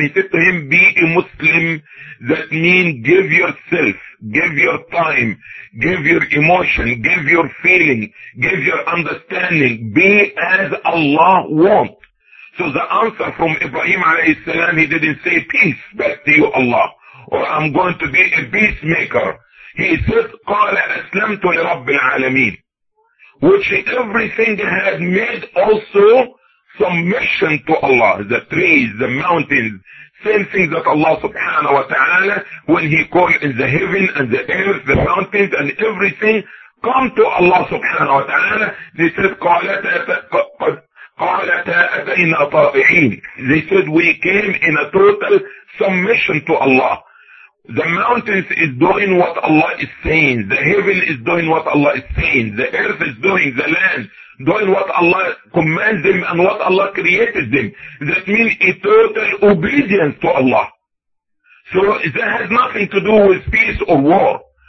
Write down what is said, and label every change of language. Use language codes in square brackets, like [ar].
[en] He said to him, be a Muslim. That means give yourself, give your time, give your emotion, give your feeling, give your understanding. Be as Allah wants. So the answer from Ibrahim alayhi salam, he didn't say peace back to you Allah, or I'm going to be a peacemaker. He said, [ar] قَالَ أَسْلَمْتُ لِرَبِّ الْعَالَمِينَ. [en] Which everything had made also submission to Allah. The trees, the mountains, same thing that Allah subhanahu wa ta'ala, when he called in the heaven and the earth, the mountains and everything, come to Allah subhanahu wa ta'ala. They said, [ar] قَالَتَا أَتَيْنَا طَائِحِينَ. [en] They said, we came in a total submission to Allah. The mountains is doing what Allah is saying. The heaven is doing what Allah is saying. The earth is doing, the land, doing what Allah commands them and what Allah created them. That means a total obedience to Allah. So that has nothing to do with peace or war.